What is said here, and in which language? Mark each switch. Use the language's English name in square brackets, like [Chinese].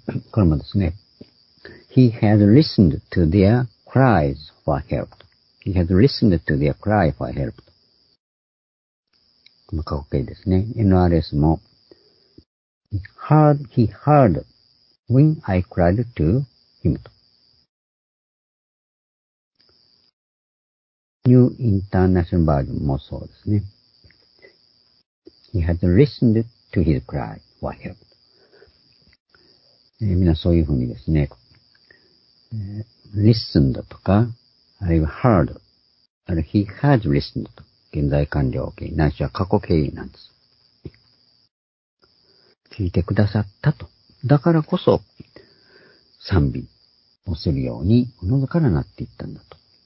[Japanese] これもですね、 [English] He had listened to their cries for help. He had listened to their cry for help. [Japanese] この過去形ですね。 [English] NRS も、He heard when I cried to him. [Japanese] New International Version もそうですね。 [English] He had listened to his cry for help. [Japanese] みんなそういうふうにですね、listened とか、あるいは heard、あるいは [English] he has listened [Japanese] と、現在完了形、ないしは過去形なんです。聞いてくださったと。だからこそ、賛美をするように、喉からなっていったんだと。